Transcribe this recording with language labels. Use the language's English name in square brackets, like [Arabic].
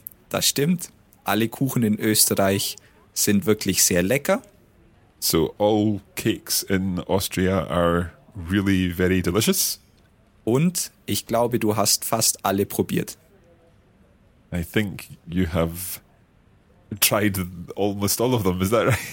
[German] Das stimmt. Alle Kuchen in Österreich sind wirklich sehr lecker. [English] So all cakes in Austria are really very delicious. [German] Und ich glaube, du hast fast alle probiert. [English] I think you have tried almost all of them, is that right?